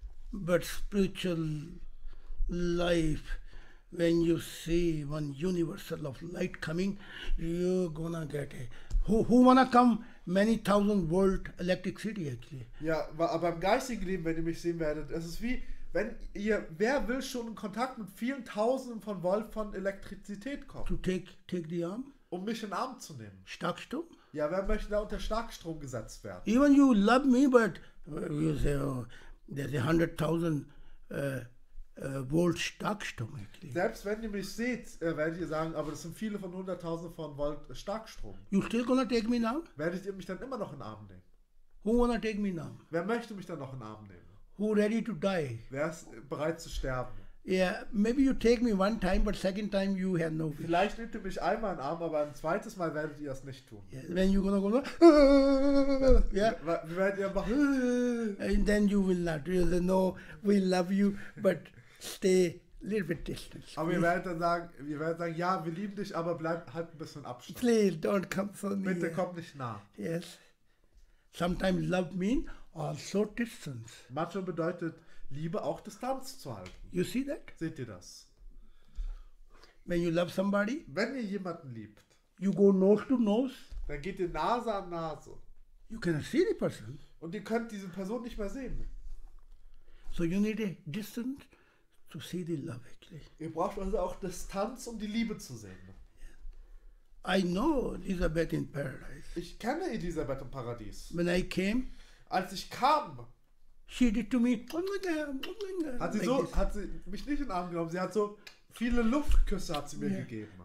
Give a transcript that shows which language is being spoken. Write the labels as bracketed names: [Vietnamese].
[English] But spiritual life, when you see one universal of light coming, you're gonna get it. Who wanna come? Many thousand volt electricity actually. [German] Ja, aber im geistigen Leben, wenn ihr mich sehen werdet, es ist wie, wenn ihr, wer will schon in Kontakt mit vielen tausenden von Volt von Elektrizität kommen? [English] To take the arm? [German] Um mich in den Arm zu nehmen. Starkstrom? Ja, wer möchte da unter Starkstrom gesetzt werden? [English] Even you love me, but you say, oh, there's 100,000 [German] wohl starkstrommig. Selbst wenn ihr mich seht, werdet ihr sagen, aber das sind viele von 100.000 von Volt Starkstrom. [English] You still gonna take me now? [German] Werdet ihr mich dann immer noch in den Arm nehmen? [English] Who wanna take me now? [German] Wer möchte mich dann noch in den Arm nehmen? [English] Who ready to die? [German] Wer ist bereit zu sterben? [English] Yeah, maybe you take me one time, but second time you have no wish. [German] Vielleicht nehmt ihr mich einmal in den Arm, aber ein zweites Mal werdet ihr es nicht tun. [English] Yeah, when you gonna go, [German] Wie werdet ihr machen? [English] And then you will not. You say, no, we love you, but stay a little bit distance. [German] Aber ihr werdet dann sagen, ja, wir lieben dich, aber bleib halt ein bisschen Abstand. [English] Please don't come so near. [German] Bitte kommt nicht nah. [English] Yes. Sometimes love means also distance. [German] Macho bedeutet Liebe auch Distanz zu halten. [English] You see that? [German] Seht ihr das? [English] When you love somebody, [German] wenn ihr jemanden liebt, [English] you go nose to nose, [German] dann geht ihr Nase an Nase. [English] You cannot see the person. [German] Und ihr könnt diese Person nicht mehr sehen. [English] So you need a distance to see the love actually. [German] Ihr braucht also auch Distanz, um die Liebe zu sehen. [English] I know Elizabeth in Paradise. [German] Ich kenne Elisabeth im Paradies. [English] When I came, [German] als ich kam, [English] she did to me, [German] hat sie mich nicht in den Arm genommen. Sie hat so viele Luftküsse hat sie mir gegeben.